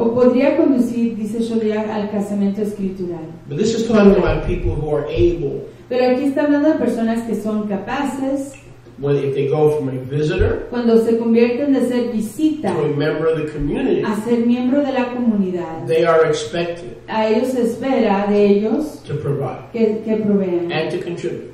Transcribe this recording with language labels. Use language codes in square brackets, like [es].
[es] O podría conducir, dice Shodiah, al casamiento escritural. [en] But this is talking about people who are able. [es] Pero aquí está hablando de personas que son capaces. [en] When if they go from a visitor, [es] cuando se convierten de ser visita, [en] to a member of the community, [es] a ser miembro de la comunidad, [en] they are expected, [es] a ellos se espera de ellos, [en] to provide, [es] que provean, [en] and to contribute,